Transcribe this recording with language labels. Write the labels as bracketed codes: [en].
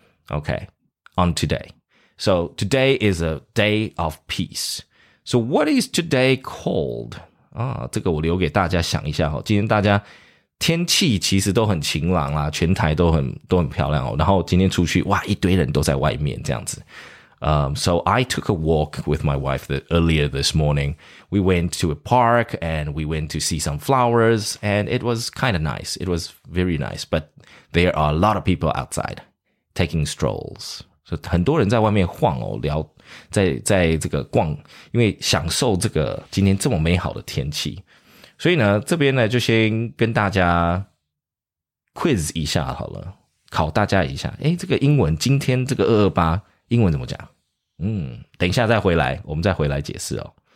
[en] Okay, on today. So today is a day of peace. So what is today called? [zh] 这个我留给大家想一下。今天大家天气其实都很晴朗啦，全台都很漂亮哦。然后今天出去，哇，一堆人都在外面这样子。 [en] So I took a walk with my wife earlier this morning. We went to a park and we went to see some flowers and it was kind of nice. It was very nice. But there are a lot of people outside taking strolls. [zh] So 很多人在外面晃哦，聊在这个逛，因为享受这个今天这么美好的天气。所以呢，这边呢就先跟大家 quiz 一下好了，考大家一下。诶，这个英文今天这个228英文怎么讲？等一下再回来，我们再回来解释哦。